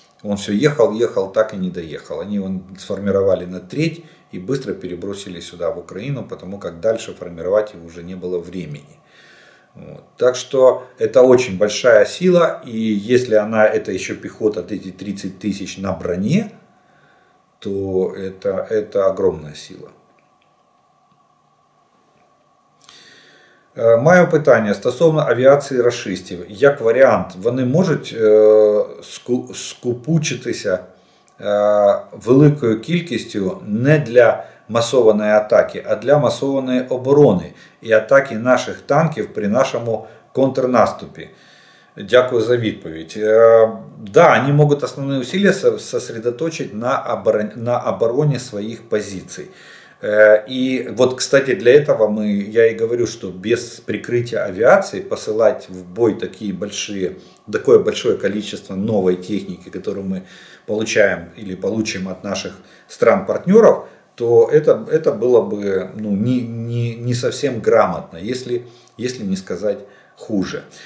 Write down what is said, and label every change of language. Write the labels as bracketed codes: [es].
[ru] Он все ехал, так и не доехал. Они его сформировали на треть и быстро перебросили сюда, в Украину, потому как дальше формировать его уже не было времени. Вот. Так что это очень большая сила, и если она, это еще пехота, эти 30 тысяч на броне, то это огромная сила. [uk] Моє питання стосовно авіації рашистів. Як варіант, вони можуть скупучитися великою кількістю не для масованої атаки, а для масованої оборони і атаки наших танків при нашому контрнаступі? Дякую за відповідь. Да, вони можуть основні зусилля сосредоточити на обороні своїх позицій. [ru] И вот, кстати, для этого я и говорю, что без прикрытия авиации посылать в бой такое большое количество новой техники, которую мы получаем или получим от наших стран-партнеров, то это было бы не совсем грамотно, если не сказать хуже.